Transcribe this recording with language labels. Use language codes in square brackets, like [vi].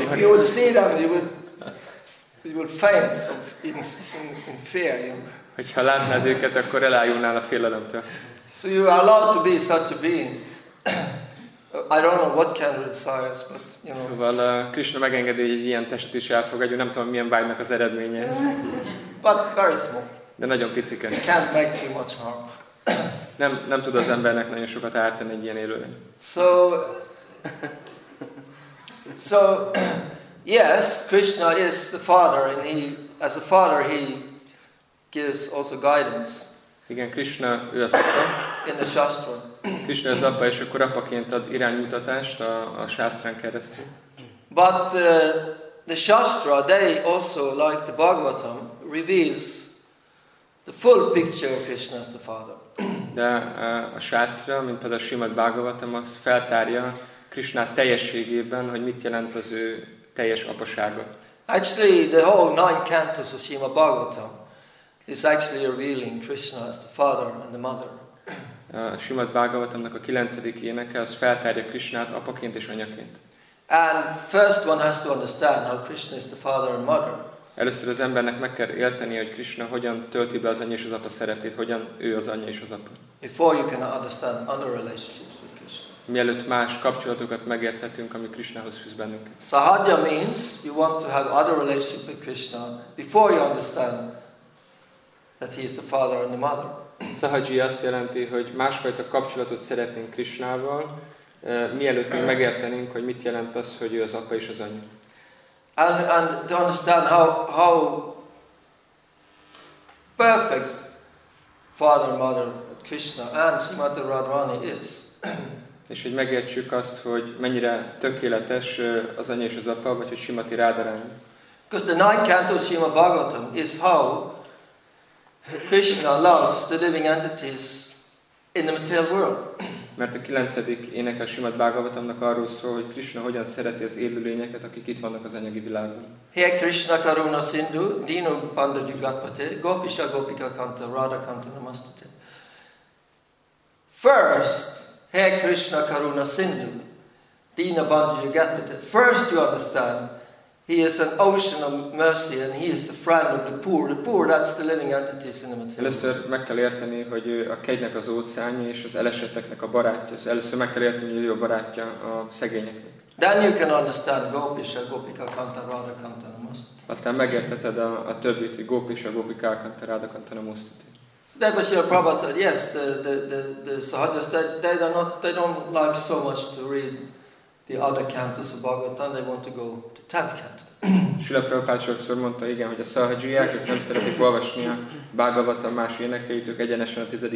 [en] If you would see them, you would faint in fear, you know. [hu] Hogyha látnád őket, akkor elájulnál a félelemtől. [en] So you are allowed to be such a being. I don't know what kind of desires, but you know. [hu] Szóval Krishna megengedi, hogy egy ilyen testet is elfogadjon, nem tudom, milyen vágynak az eredménye. [en] But very small. [hu] De nagyon picike. [en] It can't make too much harm. [hu] Nem tud az embernek nagyon sokat ártani egy ilyen élőlény. [en] So yes, Krishna is the father, and he, as a father, he gives also guidance. [hu] Igen, Krishna ő az apa. [en] In the Shastra. [hu] Krishna az apa, és akkor apaként ad iránymutatást a Shastrán keresztül. [en] But the Shastra, they also, like the Bhagavatam, reveals the full picture of Krishna as the father. [hu] De a Shastra, mint például a Srimad Bhagavatam, az feltárja Krishna teljességében, hogy mit jelent az ő teljes apasága. [en] Actually, the whole 9 cantos of Srimad Bhagavatam is actually revealing Krishna as the father and the mother. [hu] Srimad Bhagavatamnak a 9. éneke az feltárja Krishnát apaként és anyaként. [en] And first one has to understand how Krishna is the father and mother. [hu] Először az embernek meg kell érteni, hogy Krishna hogyan tölti be az anya és az apa szerepét, hogyan ő az anya és az apa. [en] Before you can understand other relationships with Krishna. [hu] Mielőtt más kapcsolatokat megérthetünk, ami Krishnához fűz bennünk. [en] Sahajya means you want to have other relationship with Krishna before you understand that he is the father and the mother. [hu] Sahajya azt jelenti, hogy másfajta kapcsolatot szeretnénk Krishnával, mielőtt még megértenénk, hogy mit jelent az, hogy ő az apa és az anya. [en] And to understand how perfect father and mother Krishna and Srimati Radharani is. [hu] És hogy megértsük azt, hogy mennyire tökéletes az anya és az apa, vagy hogy Srimati Radharani. [en] Because the ninth canto Srimad Bhagavatam is how Krishna loves the living entities in the material world. [hu] Mert a 9. énekes Srimad Bhagavatamnak arról szól, hogy Krishna hogyan szereti az élőlényeket, akik itt vannak az anyagi világban. [sa] Here Krishna Karuna Sindhu Dino Panda Jugatpate Gopisha Gopika Kanta Radha Kanta Namastate. First, here Krishna Karuna Sindhu Dino Panda Jugatpate. [en] First, you understand. He is an ocean of mercy and he is the friend of the poor. The poor, that's the living entities in the material. [hu] Először meg kell érteni, hogy a kegynek az óceánja és az elesetteknek a barátja. Először meg kell érteni, hogy ő a barátja a szegényeknek. [en] Then you can understand [sa] Gopisha, Gopika, Kanta, Radha, Kanta, Namostuti. [hu] Aztán megérteted a többit, hogy [sa] Gopisha, Gopika, Kanta, Radha, Kanta, Namostuti. [en] So that was your Prabhupada said, yes, the sahajas, they don't like so much to read the other cantos of Bhagavatam, they want to go to 10th canto. [hu] Srila Prabhupada sokszor mondta, igen, hogy a szahajiák, ők nem szeretik olvasni a Bhagavatam más énekeit, ők egyenesen a 10.